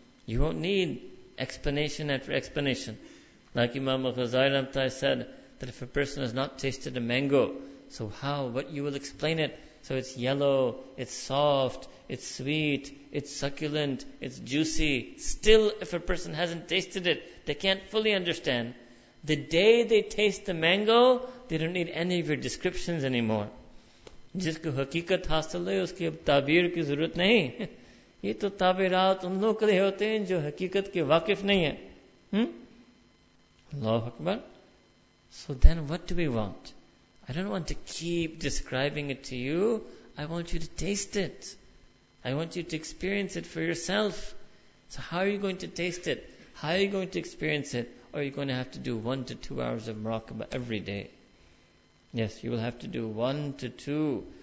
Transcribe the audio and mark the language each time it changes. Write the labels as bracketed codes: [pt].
[en] You won't need explanation after explanation. Like Imam Al-Ghazali Ramtai said, that if a person has not tasted a mango, so how, what you will explain it? So it's yellow, it's soft, it's sweet, it's succulent, it's juicy. Still, if a person hasn't tasted it, they can't fully understand. The day they taste the mango, they don't need any of your descriptions anymore. [ur] جس کو حقیقت حاصل ہے، اس کی اب تعبیر کی ضرورت نہیں. یہ تو تعبیرات ان لوگوں کے لیے ہوتے ہیں جو حقیقت کے واقف نہیں ہیں. [ar] Allahu Akbar. [en] So then what do we want? I don't want to keep describing it to you. I want you to taste it. I want you to experience it for yourself. So how are you going to taste it? How are you going to experience it? Or are you going to have to do 1 to 2 hours of muraqabah every day? Yes, you will have to do 1 to 2.